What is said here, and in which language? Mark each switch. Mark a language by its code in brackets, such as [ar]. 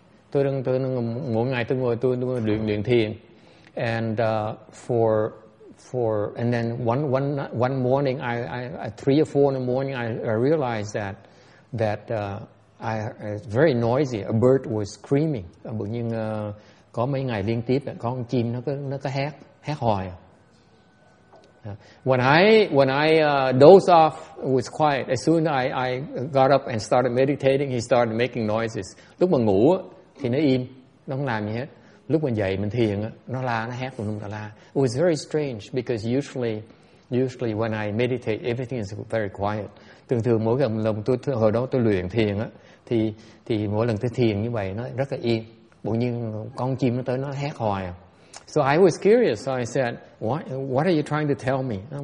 [vi] tôi đang mỗi ngày tôi ngồi luyện thiền. [en] And and then one morning three or four in the morning I realized that it's very noisy, a bird was screaming. [vi] Bỗng nhiên có mấy ngày liên tiếp có con chim nó cứ hét hoài. [en] When I dozed off, it was quiet. As soon as I got up and started meditating, he started making noises. [vi] Lúc mà ngủ thì nó im, nó không làm gì hết. Lúc mình dậy mình thiền nó la, nó hét tùm lum tà la. [en] It was very strange because usually when I meditate everything is very quiet. [vi] Thường thường mỗi lần hồi đó tôi luyện thiền thì mỗi lần tôi thiền như vậy nó rất là yên. Bỗng nhiên con chim nó tới nó hét hoài. [en] So I was curious, so I said, what are you trying to tell me?